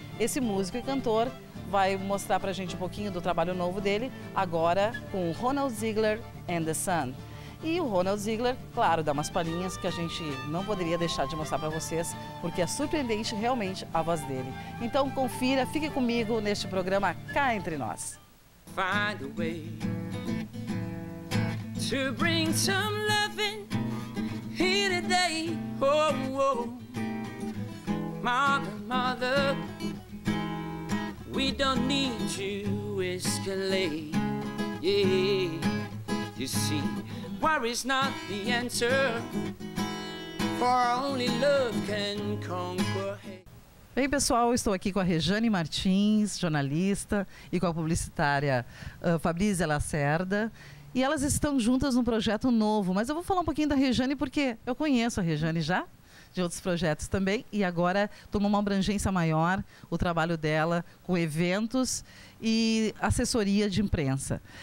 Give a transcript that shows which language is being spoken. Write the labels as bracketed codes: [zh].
[pt] Esse músico e cantor vai mostrar pra gente um pouquinho do trabalho novo dele, agora com Ronald Ziegler and the Sun. E o Ronald Ziegler, claro, dá umas palhinhas que a gente não poderia deixar de mostrar pra vocês, porque é surpreendente realmente a voz dele. Então confira, fique comigo neste programa Cá Entre Nós. [en] Find a way to bring some loving. Here today, oh, oh, mother, mother, we don't need to escalate, yeah, you see, worry's not the answer, for only love can conquer hate. [pt] Bem, pessoal, estou aqui com a Rejane Martins, jornalista, e com a publicitária Fabrícia Lacerda. E elas estão juntas num projeto novo, mas eu vou falar um pouquinho da Rejane porque eu conheço a Rejane já, de outros projetos também, e agora tomou uma abrangência maior o trabalho dela com eventos e assessoria de imprensa.